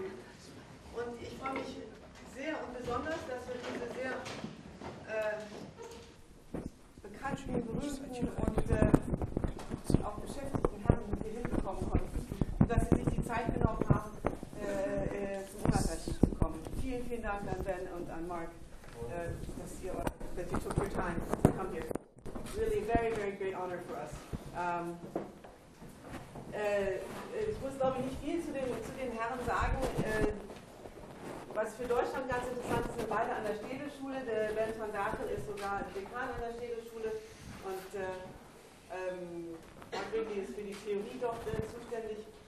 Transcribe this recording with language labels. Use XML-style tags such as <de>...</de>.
<de>Und ich freue mich sehr und besonders, dass wir diese sehr bekannten, berühmten und auch beschäftigten Herren hier hinbekommen konnten. Und dass sie sich die Zeit genommen haben, zum Ungers Archiv zu kommen. Vielen, vielen Dank an Ben und an Mark,</de> <en>that you took your time to come here. Really very, very great honor for us.</en> <de>Ich muss, glaube ich, nicht viel zu den Herren sagen. Was für Deutschland ganz interessant ist, sind wir beide an der Städelschule. Der Ben van Berkel ist sogar Dekan an der Städelschule. Und Mark Wigley ist für die Theorie doch zuständig.</de>